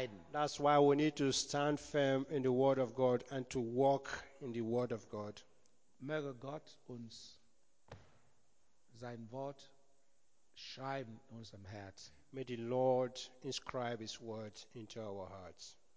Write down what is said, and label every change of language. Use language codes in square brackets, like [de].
[en] That's why we need to stand firm in the word of God and to walk in the word of God. [de] Möge Gott uns sein Wort schreiben in unserem Herz. [en] May the Lord inscribe his word into our hearts.